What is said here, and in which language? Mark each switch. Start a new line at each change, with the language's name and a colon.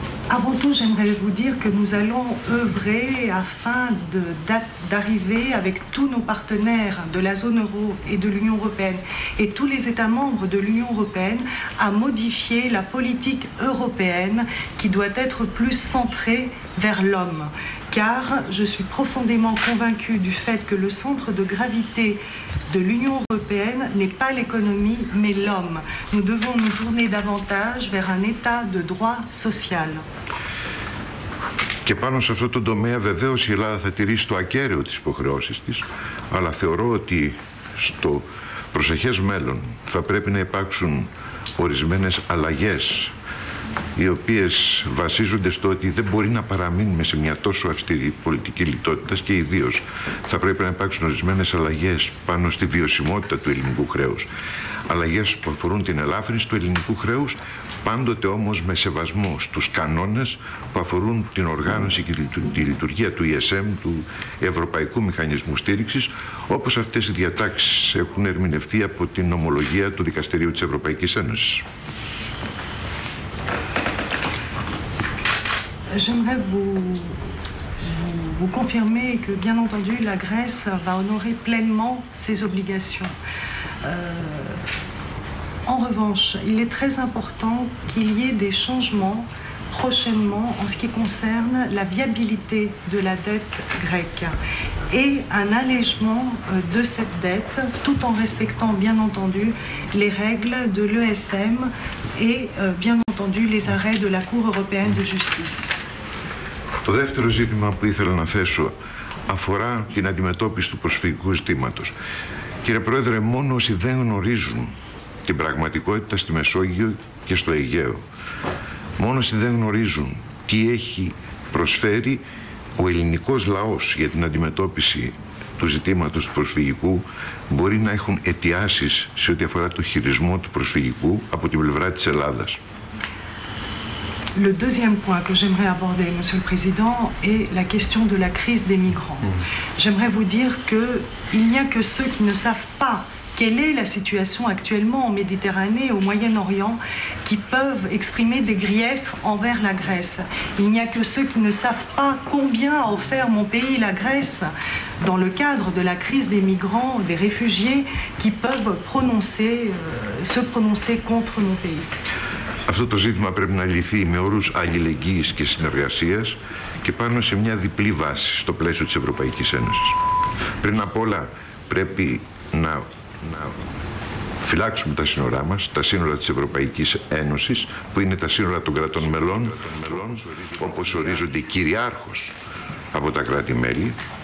French: Avant tout, j'aimerais vous dire que nous allons œuvrer afin d'arriver avec tous nos partenaires de la zone euro et de l'Union européenne et tous les États membres de l'Union européenne à modifier la politique européenne qui doit être plus centrée vers l'homme. Car je suis profondément convaincue du fait que le centre de gravité de l'Union européenne n'est pas l'économie, mais l'homme. Nous devons nous tourner davantage vers un état de droit social.
Greek: Και πάνω σε αυτό το τομέα βεβαίως η Ελλάδα θα τηρήσει το ακέραιο τις υποχρεώσεις της, αλλά θεωρώ ότι στο προσεχές μέλλον θα πρέπει να υπάρξουν ορισμένες αλλαγές οι οποίες βασίζονται στο ότι δεν μπορεί να παραμείνουμε σε μια τόσο αυστηρή πολιτική λιτότητας και ιδίως θα πρέπει να υπάρξουν ορισμένες αλλαγές πάνω στη βιωσιμότητα του ελληνικού χρέους. Αλλαγές που αφορούν την ελάφρυνση του ελληνικού χρέους, πάντοτε όμως με σεβασμό στους κανόνες που αφορούν την οργάνωση και τη λειτουργία του ESM, του Ευρωπαϊκού Μηχανισμού Στήριξης, όπως αυτές οι διατάξεις έχουν ερμηνευτεί από την ομολογία του Δικαστηρίου της Ευρωπαϊκής Ένωσης.
French: J'aimerais vous confirmer que, bien entendu, la Grèce va honorer pleinement ses obligations. En revanche, il est très important qu'il y ait des changements prochainement en ce qui concerne la viabilité de la dette grecque et un allègement de cette dette, tout en respectant bien entendu les règles de l'ESM et bien entendu les arrêts de la Cour européenne de justice.
Greek: Το δεύτερο ζήτημα που ήθελα να θέσω αφορά την αντιμετώπιση του προσφυγικού ζητήματος. Κύριε Πρόεδρε, μόνο όσοι δεν γνωρίζουν την πραγματικότητα στη Μεσόγειο και στο Αιγαίο, μόνο όσοι δεν γνωρίζουν τι έχει προσφέρει ο ελληνικός λαός για την αντιμετώπιση του ζητήματος του προσφυγικού, μπορεί να έχουν αιτιάσεις σε ό,τι αφορά το χειρισμό του προσφυγικού από την πλευρά της Ελλάδας.
French: Le deuxième point que j'aimerais aborder, Monsieur le Président, est la question de la crise des migrants. J'aimerais vous dire qu'il n'y a que ceux qui ne savent pas quelle est la situation actuellement en Méditerranée et au Moyen-Orient qui peuvent exprimer des griefs envers la Grèce. Il n'y a que ceux qui ne savent pas combien a offert mon pays, la Grèce, dans le cadre de la crise des migrants, des réfugiés, qui peuvent se prononcer contre mon pays.
Greek: Αυτό το ζήτημα πρέπει να λυθεί με όρους αλληλεγγύης και συνεργασίας και πάνω σε μια διπλή βάση στο πλαίσιο της Ευρωπαϊκής Ένωσης. Πριν απ' όλα πρέπει να φυλάξουμε τα σύνορά μας, τα σύνορα της Ευρωπαϊκής Ένωσης, που είναι τα σύνορα των κρατών μελών, όπως ορίζονται κυριάρχως από τα κράτη-μέλη.